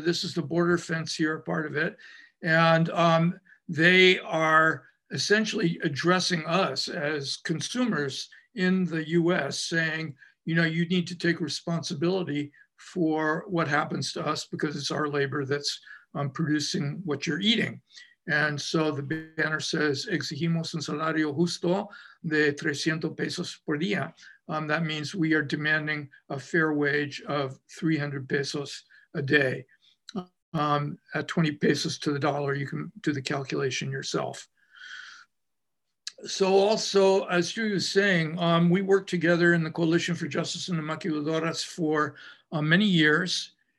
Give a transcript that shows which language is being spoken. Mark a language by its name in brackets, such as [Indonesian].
[English] This is the border fence here, part of it. And they are essentially addressing us as consumers in the US, saying, you know, you need to take responsibility for what happens to us because it's our labor that's producing what you're eating. And so the banner says, [Spanish] exigimos un salario justo de 300 pesos por día. [English] That means we are demanding a fair wage of 300 pesos a day. At 20 pesos to the dollar, you can do the calculation yourself. So also, as Judy was saying, we worked together in the Coalition for Justice in the Maquiladoras for many years.